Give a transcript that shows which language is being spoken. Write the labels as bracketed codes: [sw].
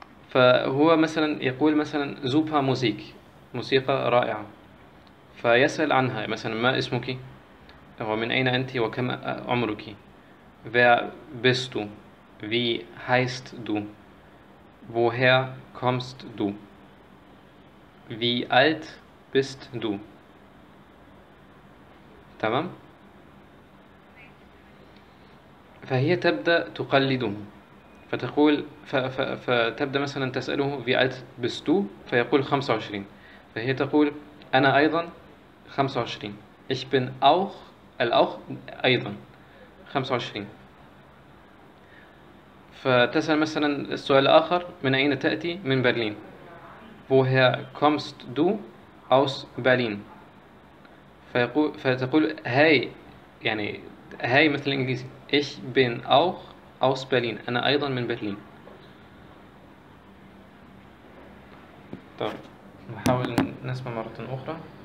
[ar] فهو مثلا يقول مثلا زوبا موسيقى، موسيقى رائعة، فيسأل عنها مثلا: ما اسمك؟ ومن أين أنت؟ وكم عمرك؟ [de] Wer bist du؟ Wie heißt du؟ Woher kommst du؟ Wie alt bist du؟ [ar] تمام؟ فهي تبدأ تقلده، فتقول فتبدأ مثلا تسأله: في [de] alt bist du؟ [ar] فيقول 25، فهي تقول: أنا أيضا 25. [de] Ich bin auch، [ar] الأوخ أيضا [de] 25. [ar] فتسأل مثلا السؤال الآخر: من أين تأتي؟ من برلين. [de] Woher kommst du؟ aus Berlin. [ar] فتقول هاي، يعني هاي مثل الإنجليزي: [de] Ich bin auch aus Berlin، [ar] أنا أيضا من برلين. طب نحاول نسمع مرة أخرى.